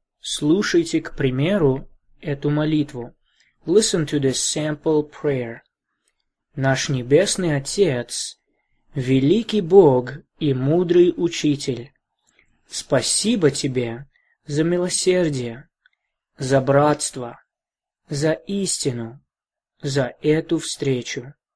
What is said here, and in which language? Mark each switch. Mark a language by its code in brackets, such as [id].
[ru] Слушайте, к примеру, эту молитву. [en] Listen to this sample prayer. [ru] Наш Небесный Отец, великий Бог и мудрый Учитель, спасибо Тебе за милосердие, за братство, за истину, за эту встречу.